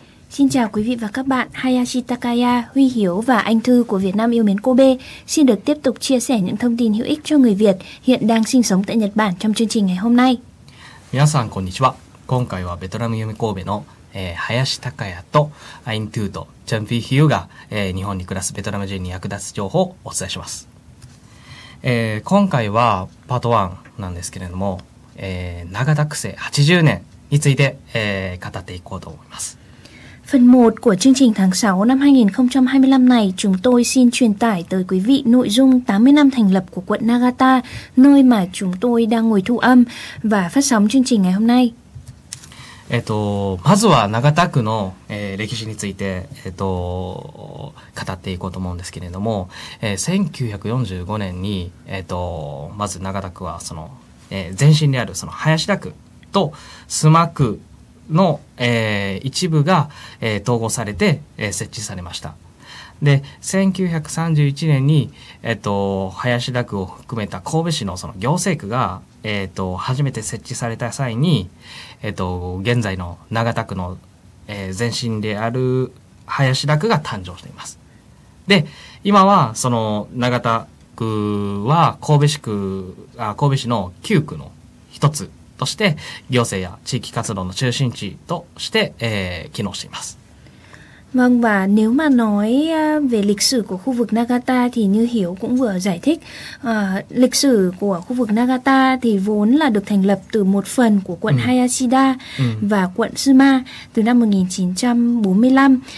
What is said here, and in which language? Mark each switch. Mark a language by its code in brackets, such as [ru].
[vi] Xin chào quý vị và các bạn, Hayashi Takaya, Huy Hiếu và Anh Thư của Việt Nam yêu mến Kobe xin được tiếp tục chia sẻ những thông tin hữu ích cho người Việt hiện đang sinh sống tại Nhật Bản trong chương trình ngày hôm nay. [ja] 皆さんこんにちは。今回はベトナム夢神戸の、林隆也とアイントゥーとチャンピーヒューが、日本に暮らすベトナム人に役立つ情報をお伝えします。今回はパート1なんですけれども、永田区政80年について、語っていこうと思います。 [vi] Phần 1 của chương trình tháng 6 năm 2025 này, chúng tôi xin truyền tải tới quý vị nội dung 80 năm thành lập của quận Nagata, nơi mà chúng tôi đang ngồi thu âm và phát sóng chương trình ngày hôm nay. [ja] まずは長田区の、歴史について、語っていこうと思うんですけれども、1945年に、まず長田区はその、前身であるその林田区と須磨区の、一部が、統合されて、設置されました。で、1931年に、林田区を含めた神戸市のその行政区が、初めて設置された際に、現在の長田区の、前身である林田区が誕生しています。で、今はその長田区は神戸市の旧区の一つ。として行政や地域活動の中心地として、機能しています。 [vi] Vâng, và nếu mà nói về lịch sử của khu vực Nagata thì như Hiếu cũng vừa giải thích, lịch sử của khu vực Nagata thì vốn là được thành lập từ một phần của quận Hayashida và quận Suma từ năm 1945.